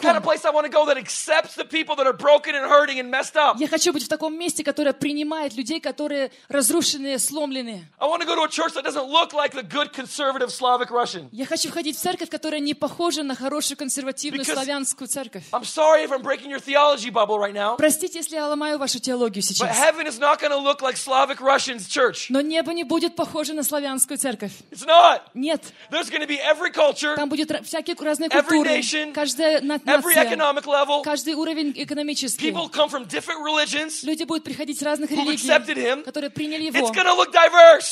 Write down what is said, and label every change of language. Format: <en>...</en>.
<en>That's the kind of place I want to go that accepts the people that are broken and hurting and messed up.</en> <ru>Я хочу быть в таком месте, которое принимает людей, которые разрушенные, сломленные.</ru> <en>I want to go to a church that doesn't look like the good conservative Slavic Russian.</en> <ru>Я хочу входить в церковь, которая не похожа на хорошую консервативную славянскую церковь.</ru> <en>I'm sorry if I'm breaking your theology bubble right now.</en> <ru>Простите, если я ломаю вашу теологию сейчас.</ru> <en>But heaven is not going to look like Slavic Russian's church.</en> <ru>Но небо не будет похоже на славянскую церковь.</ru> <en>It's not.</en> <ru>Нет.</ru> <en>There's going to be every culture.</en> <ru>Там будет всякие разные культуры.</ru> <en>Every nation.</en> <ru>Каждая нация.</ru> <en>Every economic level.</en> <ru>Каждый уровень экономический.</ru> <en>People come from different religions.</en> <ru>Люди будут приходить с разных religий.</ru> <en>Who accepted him?</en> <ru>Которые приняли его.</ru> <en>It's going to look diverse.</en>